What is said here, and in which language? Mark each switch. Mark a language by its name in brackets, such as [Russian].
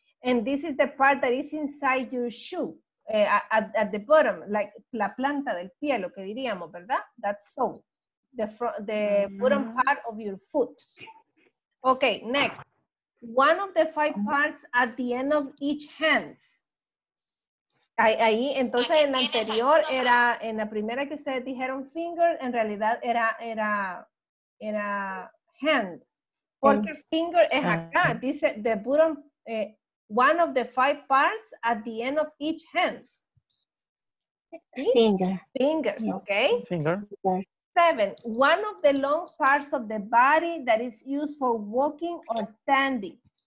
[English] And this is the part that is inside your shoe. At the bottom, like [Spanish] la planta del pie, lo que diríamos, ¿verdad? [English] That's sole. The bottom part of your foot. Okay, next. One of the five parts at the end of each hand. [Spanish] Ahí, entonces en la anterior era, en la primera que ustedes dijeron finger, en realidad era hand. Porque finger es acá, dice [English] the bottom, one of the five parts at the end of each hand. Finger. Seven, one of the long parts of the body that is used for walking or standing.